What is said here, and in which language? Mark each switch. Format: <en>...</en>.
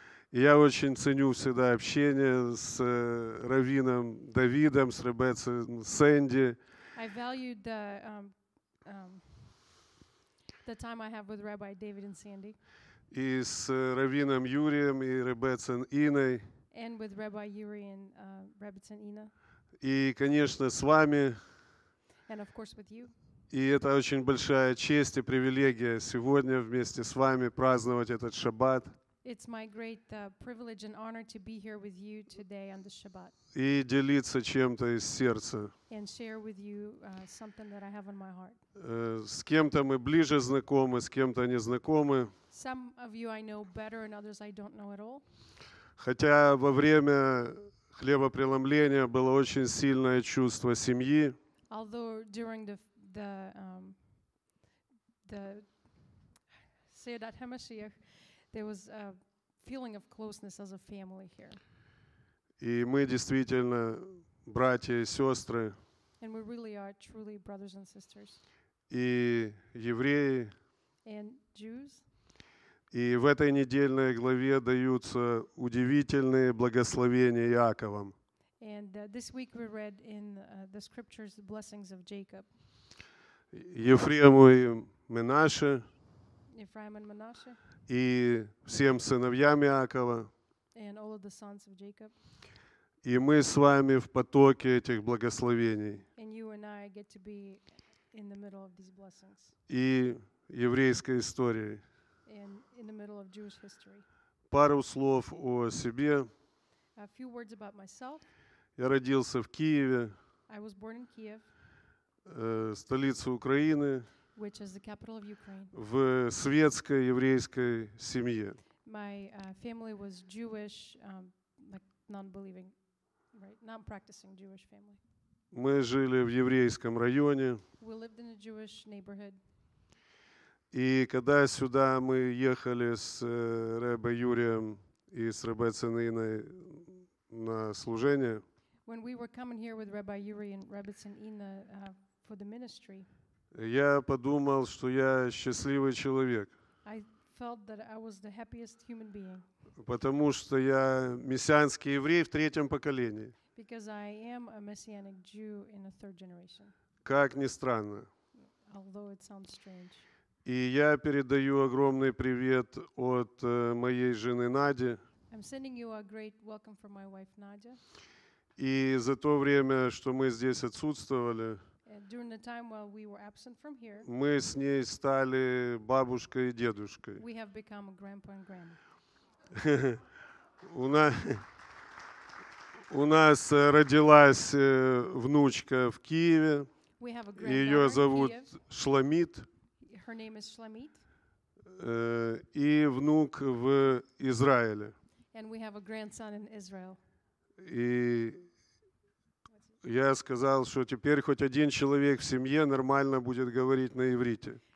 <ru>Я очень ценю всегда общение с раввином Давидом, с Ребеццей Сэнди.</ru> <en>I valued the time I have with Rabbi David and Sandy.</en> <ru>И с раввином Юрием и Ребеццей Иной.</ru> <en>And with Rabbi Yuri and Ребеццей Ина.</en> <ru>И, конечно, с вами.</ru> <en>And of course with you.</en> <ru>И это очень большая честь и привилегия сегодня вместе с вами праздновать этот Шаббат.</ru> <en>It's my great privilege and honor to be here with you today on the Shabbat.</en> <ru>И делиться чем-то из сердца.</ru> <en>And share with you something that I have on my heart.</en> <ru>С кем-то мы ближе знакомы, с кем-то не знакомы.</ru> <en>Some of you I know better and others I don't know at all.</en> <ru>Хотя во время хлебопреломления было очень сильное чувство семьи.</ru> <en>Although during the Seudat HaMashiach, there was a feeling of closeness as a family here.</en> <ru>И мы действительно братья и сестры.</ru> <en>And we really are truly brothers and sisters.</en> <ru>И евреи.</ru> <en>And Jews.</en> <ru>И в этой недельной главе даются удивительные благословения Иаковом.</ru> <en>And this week we read in the scriptures the blessings of Jacob.</en> <ru>Ефрему и Менаше.</ru> <en>Ephraim and Manasseh.</en> <ru>И всем сыновьям Иакова.</ru> <en>And all of the sons of Jacob.</en> <ru>И мы с вами в потоке этих благословений.</ru> <en>And you and I get to be in the middle of these blessings.</en> <ru>И еврейской истории.</ru> <en>And in the middle of Jewish history.</en> <ru>Пару слов о себе.</ru> <en>A few words about myself.</en> <ru>Я родился в Киеве.</ru> <en>I was born in Kiev.</en> <ru>Столица Украины.</ru> <en>Which is the capital of Ukraine.</en> <ru>В светской еврейской семье.</ru> <en>My family was Jewish, like non-believing, right? Non-practicing Jewish family.</en> <ru>Мы жили в еврейском районе.</ru> <en>We lived in a Jewish neighborhood.</en> <ru>И когда сюда мы ехали с Ребе Юрием и с Ребеццей Иной на служение.</ru> <en>When we were coming here with Rabbi Yuri and Ребеццей Ина for the ministry.</en> <ru>Я подумал, что я счастливый человек.</ru> <en>I felt that I was the happiest human being.</en> <ru>Потому что я мессианский еврей в третьем поколении.</ru> <en>Because I am a messianic Jew in a third generation.</en> <ru>Как ни странно.</ru> <en>Although it sounds strange.</en> <ru>И я передаю огромный привет от моей жены Нади.</ru> <en>I'm sending you a great welcome from my wife Nadia.</en> <ru>И за то время, что мы здесь отсутствовали,</ru> <en>during the time while we were absent from here,</en> <ru>мы с ней стали бабушкой и дедушкой.</ru> <en>We have become a grandpa and grandma.</en> <ru>У нас родилась внучка в Киеве.</ru> <en>We have a granddaughter.</en> <ru>Ее зовут Шламит.</ru> <en>Her name is Shlamit.</en> <ru>И внук в Израиле.</ru> <en>And we have a grandson in Israel.</en> <ru>И я сказал, что теперь хоть один человек в семье нормально будет говорить на иврите.</ru>